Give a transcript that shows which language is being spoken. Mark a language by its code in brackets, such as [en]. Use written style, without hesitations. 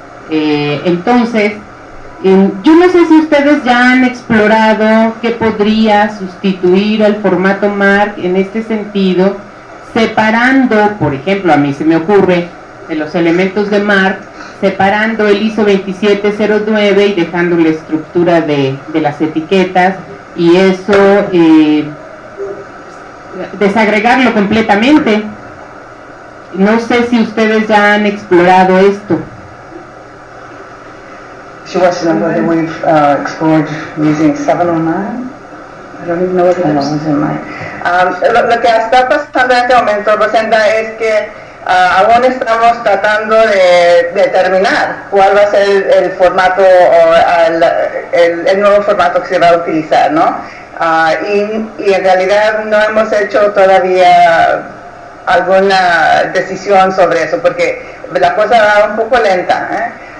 [es] Yo no sé si ustedes ya han explorado qué podría sustituir al formato MARC en este sentido, separando, por ejemplo, a mí se me ocurre, de los elementos de MARC, separando el ISO 27009 y dejando la estructura de las etiquetas, y eso desagregarlo completamente. No sé si ustedes ya han explorado esto. [en] She wants to know whether we've explored using 709. I don't even know what that was in mind. [es] Lo que está pasando en este momento, Rosenda, es que aún estamos tratando de determinar cuál va a ser el formato o el nuevo formato que se va a utilizar, ¿no? Y en realidad no hemos hecho todavía alguna decisión sobre eso, porque la cosa va un poco lenta, ¿eh?